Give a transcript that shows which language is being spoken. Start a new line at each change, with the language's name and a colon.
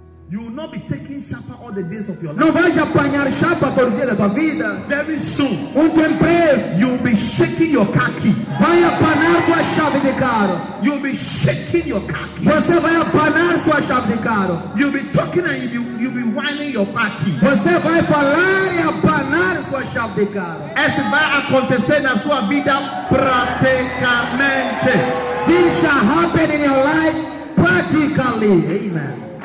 English: You will not be taking chapa all the days of your life.
Portuguese: Não vais apanhar chapa todo dia da tua vida.
English: Very soon.
Portuguese: Muito em breve.
English: You will be shaking your car key.
Portuguese: Vai apanar tua chave de carro.
English: You will be shaking your car key.
Portuguese: Você vai apanar tua chave de carro.
English: You will be talking and you will be whining your car key.
Portuguese: Você vai falar e apanar sua chave de carro. Isso vai acontecer na sua vida praticamente.
English: This shall happen in your life practically. Amen.